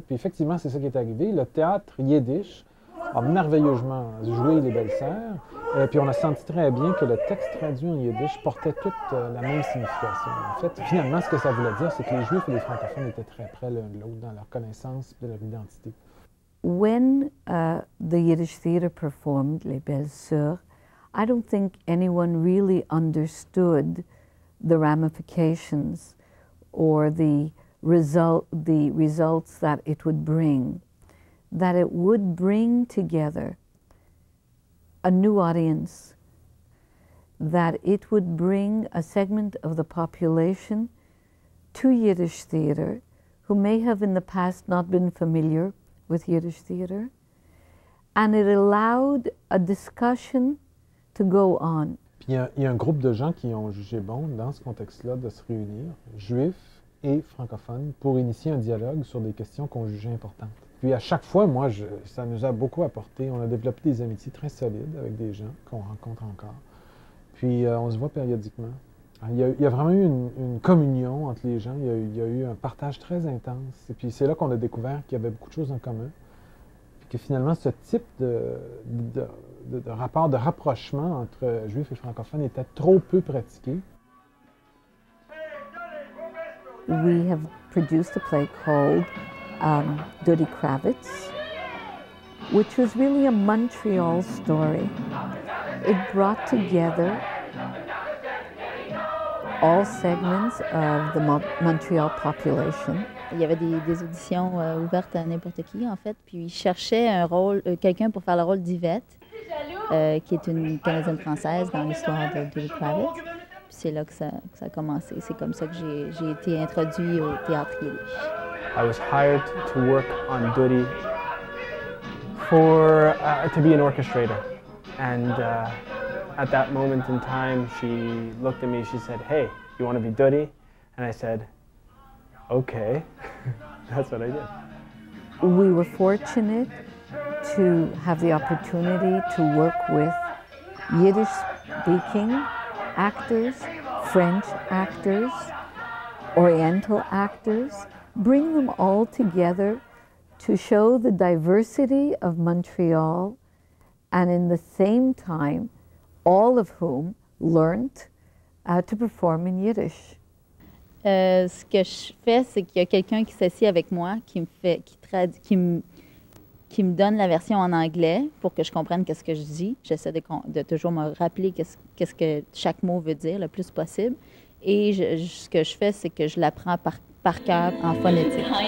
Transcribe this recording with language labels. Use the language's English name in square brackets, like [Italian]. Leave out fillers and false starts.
[French] Puis effectivement, c'est ça qui est arrivé. Le théâtre yiddish a merveilleusement joué Les Belles Sœurs. Puis on a senti très bien que le texte traduit en yiddish portait toute la même signification. En fait, finalement, ce que ça voulait dire, c'est que les Juifs et les francophones étaient très près l'un de l'autre dans leur connaissance et leur identité. [English] When the Yiddish theater performed Les Belles Sœurs, I don't think anyone really understood the ramifications or the results that it would bring. That it would bring together a new audience, that it would bring a segment of the population to Yiddish theater who may have in the past not been familiar with Yiddish theater, and it allowed a discussion to go on. [French] Il y a un groupe de gens qui ont jugé bon dans ce contexte-là de se réunir, juifs et francophones, pour initier un dialogue sur des questions qu'on jugeait importantes. Puis à chaque fois, moi, ça nous a beaucoup apporté. On a développé des amitiés très solides avec des gens qu'on rencontre encore. Puis on se voit périodiquement. Il y a vraiment eu une communion entre les gens. Il y a eu un partage très intense. Et puis c'est là qu'on a découvert qu'il y avait beaucoup de choses en commun. Puis que finalement, ce type de rapport, de rapprochement entre juifs et francophones était trop peu pratiqué. [English] We have produced a play called Dodi Kravitz, which was really a Montreal story. It brought together all segments of the Montreal population. [French] Il y avait des auditions ouvertes à n'importe qui, en fait, puis ils cherchaient un rôle, quelqu'un pour faire le rôle d'Yvette, qui est une Canadienne française dans l'histoire de Dodi Kravitz. Puis c'est là que ça a commencé. C'est comme ça que j'ai été introduit au théâtre yiddish. [English] I was hired to work on Dodi to be an orchestrator. And at that moment in time, she looked at me, she said, "Hey, you want to be Dodi?" And I said, "Okay." That's what I did. We were fortunate to have the opportunity to work with Yiddish-speaking actors, French actors, Oriental actors, bring them all together to show the diversity of Montreal and in the same time, all of whom learned to perform in Yiddish. [French] Ce que je fais, c'est qu'il y a quelqu'un qui s'assied avec moi, qui me donne la version en anglais pour que je comprenne qu'est-ce que je dis. J'essaie de toujours me rappeler qu'est-ce que chaque mot veut dire le plus possible. Et ce que je fais, c'est que je l'apprends par cœur en phonétique.